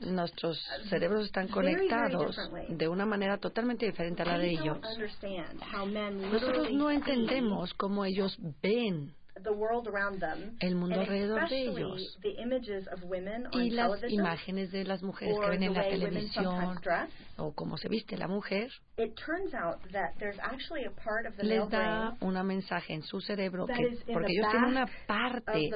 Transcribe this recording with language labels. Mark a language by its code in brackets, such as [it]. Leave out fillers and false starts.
[es] nuestros cerebros están conectados de una manera totalmente diferente a la de ellos. Nosotros no entendemos cómo ellos ven [en] the world around them, [es] el mundo alrededor de ellos, [en] the images of women [es] y las imágenes de las mujeres que ven en la televisión o cómo se viste la mujer. [en] It turns out that there's actually a part of the [es] les [en] male brain [es] da un mensaje en su cerebro que, porque ellos tienen una parte